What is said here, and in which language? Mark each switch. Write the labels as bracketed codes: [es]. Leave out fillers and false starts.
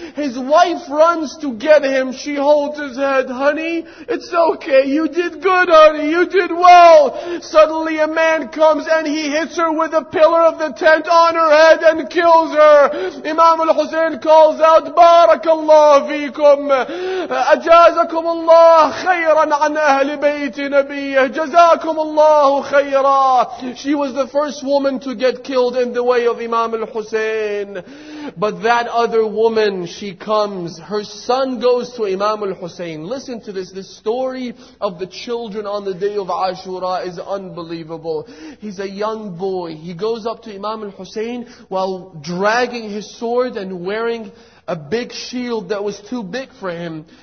[en] His wife runs to get him. She holds his head. Honey, it's okay. You did good, honey. You did well. Suddenly a man comes and he hits her with a pillar of the tent on her head and kills her. Imam al-Hussein calls out, Barakallahu feekum. [ar] أجازكم الله خيرا عن أهل بيت نبيه جزاكم الله خيرا. [en] She was the first woman to get killed in the way of Imam al-Hussein. But that other woman, she comes, her son goes to Imam al-Hussein. Listen to this, the story of the children on the day of Ashura is unbelievable. He's a young boy, he goes up to Imam al-Hussein while dragging his sword and wearing a big shield that was too big for him.